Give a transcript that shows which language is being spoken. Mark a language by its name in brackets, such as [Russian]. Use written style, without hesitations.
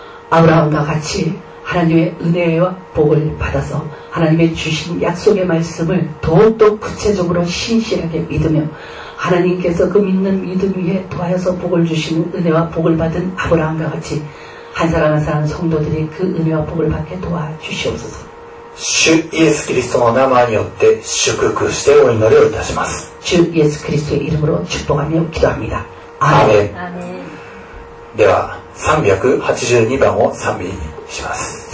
[Korean] 아브라함과같이 하나님의은혜와복을받아서하나님의주신약속의말씀을더욱더구체적으로신실하게믿으며하나님께서그믿는믿음위에도하여서복을주시는은혜와복을받은아브라함과같이한사람한사람성도들이그은혜와복을받게도와주시옵소서 주예수그리스도의이름 [Japanese] によって祝福してお祈りをいたします。 [Korean] 주예수그리스도의이름으로축복하며기도합니다。 아멘。 [Japanese] では382番を賛美にします。